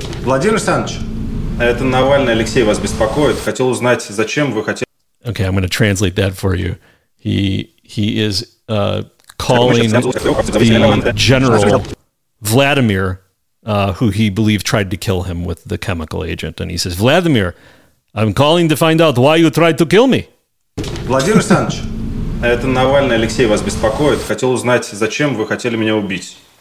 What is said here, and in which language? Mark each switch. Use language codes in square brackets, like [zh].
[ru] Владимир Александрович, это Навальный Алексей вас беспокоит. Хотел узнать, зачем вы хотели... [en] Okay, I'm going to translate that for you. He is calling the general Vladimir... who he believed tried to kill him with the chemical agent. And he says, Vladimir, I'm calling to find out why you tried to kill me. [ru] Владимир Александрович, это Навальный Алексей вас беспокоит. Хотел узнать, зачем вы хотели меня убить.